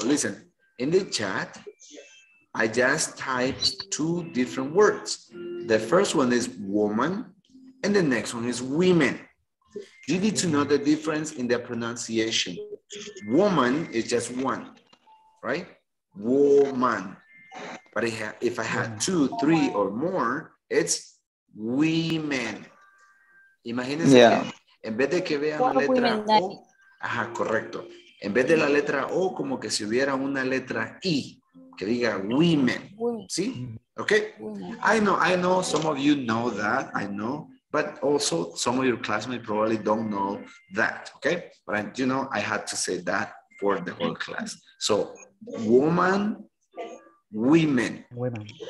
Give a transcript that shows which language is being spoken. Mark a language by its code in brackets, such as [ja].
[en] Listen, in the chat, I just typed two different words. The first one is woman, and the next one is women. You need to know the difference in the pronunciation. Woman is just one, right? Woman. But if I had two, three, or more, it's women. [es] Imagínense. [en] Yeah. [es] En vez de que vean la letra O, ajá, correcto. En vez de la letra O, como que si hubiera una letra I, que diga women. ¿Sí? Okay. [en] I know some of you know that, I know. But also, some of your classmates probably don't know that, okay? But you know, I had to say that for the whole class. So, woman, women. Woman,